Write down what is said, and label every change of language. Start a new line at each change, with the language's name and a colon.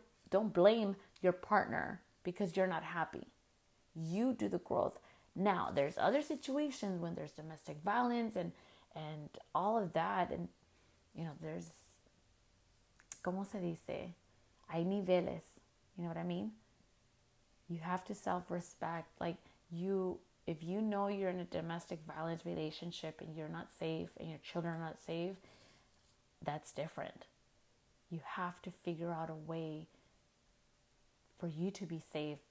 English: Don't blame your partner because you're not happy. You do the growth. Now, there's other situations when there's domestic violence and all of that. And, you know, there's,
Spanish: ¿cómo se dice? Hay niveles.
English: You know what I mean? You have to self-respect. Like, if you know you're in a domestic violence relationship and you're not safe and your children are not safe, that's different. You have to figure out a way for you to be safe.